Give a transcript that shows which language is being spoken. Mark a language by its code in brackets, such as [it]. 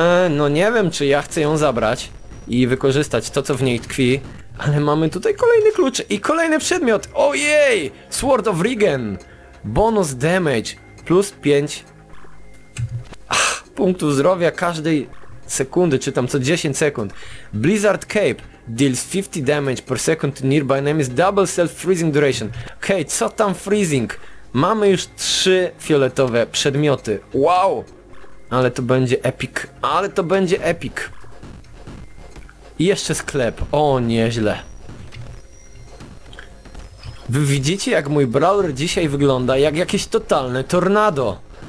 [pl] No nie wiem, czy ja chcę ją zabrać i wykorzystać to, co w niej tkwi, ale mamy tutaj kolejny klucz i kolejny przedmiot, ojej, Sword of Regen. Bonus damage, plus 5 punktów zdrowia każdej sekundy, czy tam co 10 sekund. [en] Blizzard Cape, deals 50 damage per second to nearby enemies, double self freezing duration. [pl] Okej, co tam [en] freezing? [pl] Mamy już 3 fioletowe przedmioty. Wow! Ale to będzie epic. Ale to będzie epic. I jeszcze sklep. O, nieźle. Wy widzicie, jak mój brawler dzisiaj wygląda? Jak jakieś totalne tornado.